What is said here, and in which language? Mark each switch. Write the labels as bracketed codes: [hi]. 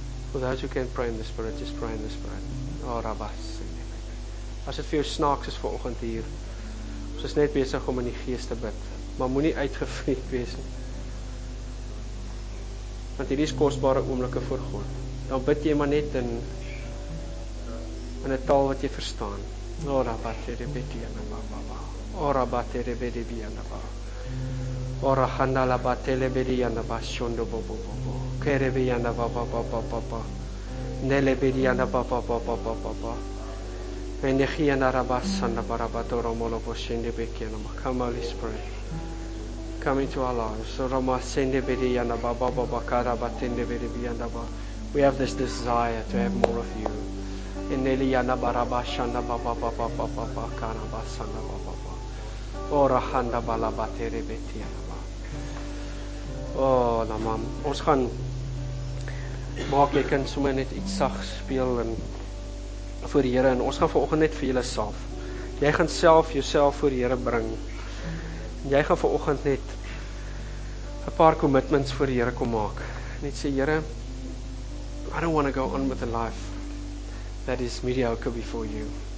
[en] Without you can pray in the spirit, just pray in the spirit. Ora va se. [af] As dit vir jou snaaks is vanoggend hier, ons is net besig om in die Gees te bid, maar moenie uitgevreek wees nie. Want hierdie is kostbare oomblikke voor God. Dan bid jy maar net in 'n taal wat jy verstaan. Ora bate rebedi na ba ba ba. Ora bate rebedi bi na ba. Ora handa la bate rebedi na ba shondo bo bo bo. Kere bi na ba ba ba ba ba ba. Nele bedi na ba ba ba ba ba ba ba. Vende gie na ra ba san na ba ba to ro mo lo po shinde be ke na ma. [en] Come Holy Spirit. Come into our lives. Ora ma sende bedi na ba ba ba ba kara ba tende bedi na ba. We have this desire to have more of you. In Eliana Barabashana Baba Baba Baba Bakana Basana Baba Ora Handa Balabatere Betianaba. Oh, Namam. [af] Ons gaan maak jy kind sommer net iets sag speel en voor die Here, en ons gaan vanoggend net vir julle self. Jy gaan self jouself voor die Here bring. Jy gaan vanoggend net 'n paar commitments voor die Here kom maak. Net sê, [en] Here, I don't want to go on with the life that is mediocre before you.